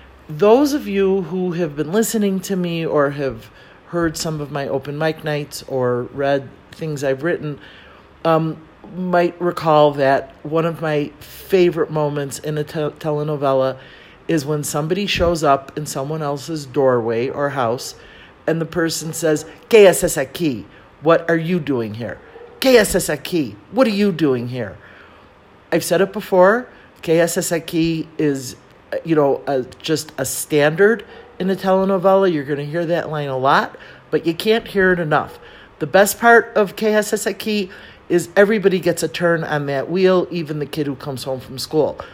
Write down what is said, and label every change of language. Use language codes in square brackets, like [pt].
[en] Those of you who have been listening to me or have heard some of my open mic nights or read things I've written, might recall that one of my favorite moments in a telenovela is when somebody shows up in someone else's doorway or house and the person says, [es] ¿Qué haces aquí? [en] What are you doing here? [es] ¿Qué haces aquí? [en] What are you doing here? I've said it before, [es] ¿Qué haces aquí? [en] Is, you know, just a standard in a telenovela. You're going to hear that line a lot, but you can't hear it enough. The best part of [es] ¿Qué haces aquí? [en] Is everybody gets a turn on that wheel, even the kid who comes home from school.